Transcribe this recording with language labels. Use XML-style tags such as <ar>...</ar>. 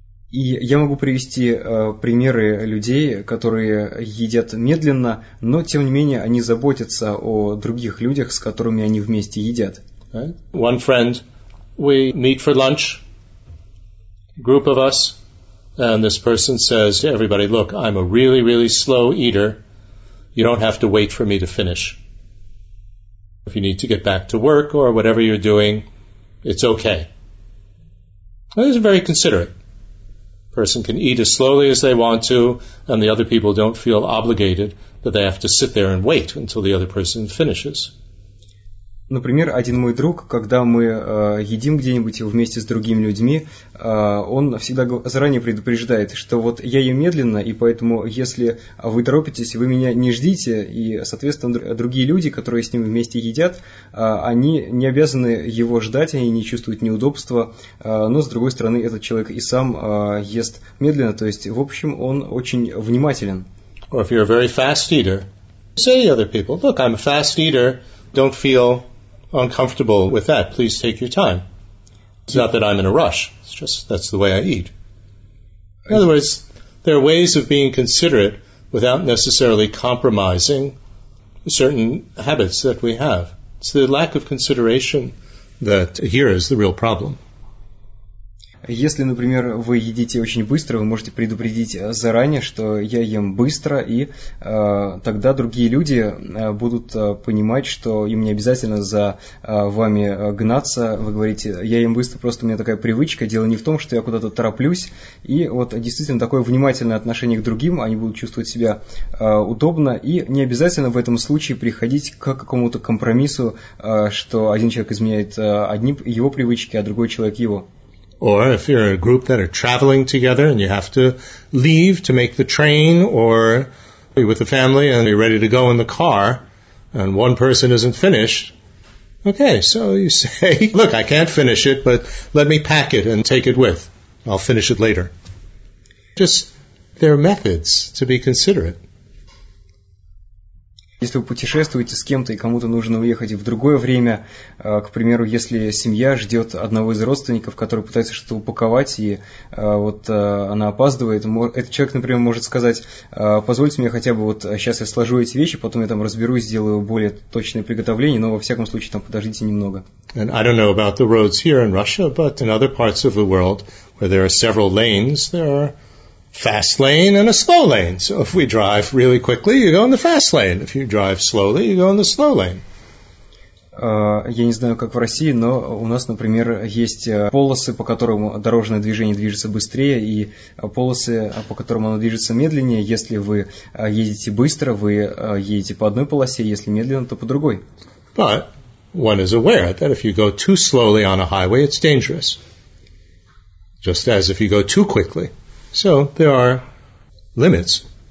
<ru>И я могу привести примеры людей, которые едят медленно, но тем не менее они заботятся о других людях, с которыми они вместе едят.</ru> <en>Right. One friend, we meet for lunch, group of us, and this person says to everybody, look, I'm a really, really slow eater, you don't have to wait for me to finish. If you need to get back to work or whatever you're doing, it's okay. And this is very considerate. Person can eat as slowly as they want to, and the other people don't feel obligated that they have to sit there and wait until the other person finishes.</en> <ru>Например, один мой друг, когда мы едим где-нибудь вместе с другими людьми, он всегда заранее предупреждает, что вот я ем медленно, и поэтому, если вы торопитесь, вы меня не ждите, и, соответственно, другие люди, которые с ним вместе едят, они не обязаны его ждать, они не чувствуют неудобства, но, с другой стороны, этот человек и сам ест медленно, то есть, в общем, он очень внимателен.</ru> <en>Or if you're a very fast eater, say to other people, look, I'm a fast eater. Don't feel uncomfortable with that. Please take your time. It's not that I'm in a rush. It's just that's the way I eat. In other words, there are ways of being considerate without necessarily compromising certain habits that we have. It's the lack of consideration that here is the real problem.</en> <ru>Если, например, вы едите очень быстро, вы можете предупредить заранее, что я ем быстро, и тогда другие люди будут понимать, что им не обязательно за вами гнаться. Вы говорите, я ем быстро, просто у меня такая привычка, дело не в том, что я куда-то тороплюсь. И вот действительно такое внимательное отношение к другим, они будут чувствовать себя удобно, и не обязательно в этом случае приходить к какому-то компромиссу, что один человек изменяет одни его привычки, а другой человек его.</ru> <en>Or if you're a group that are traveling together and you have to leave to make the train, or you're with the family and you're ready to go in the car and one person isn't finished, okay, so you say, look, I can't finish it, but let me pack it and take it with. I'll finish it later. Just there are methods to be considerate.</en> <ru>Если вы путешествуете с кем-то и кому-то нужно уехать в другое время, к примеру, если семья ждет одного из родственников, который пытается что-то упаковать, и вот она опаздывает, этот человек, например, может сказать, позвольте мне хотя бы вот сейчас я сложу эти вещи, потом я там разберусь, сделаю более точное приготовление, но во всяком случае там подождите немного.</ru> <en>And I don't know about the roads here in Russia, but in other parts of the world where there are several lanes, there are fast lane and a slow lane. So if we drive really quickly, you go in the fast lane. If you drive slowly, you go in the slow lane.</en> <ru>Я не знаю, как в России, но у нас, например, есть полосы, по которым дорожное движение движется быстрее, и полосы, по которым оно движется медленнее. Если вы едете быстро, вы едете по одной полосе, если медленно, то по другой.</ru> <en>But one is aware that if you go too slowly on a highway, it's dangerous. Just as if you go too quickly. So, there are limits.</en>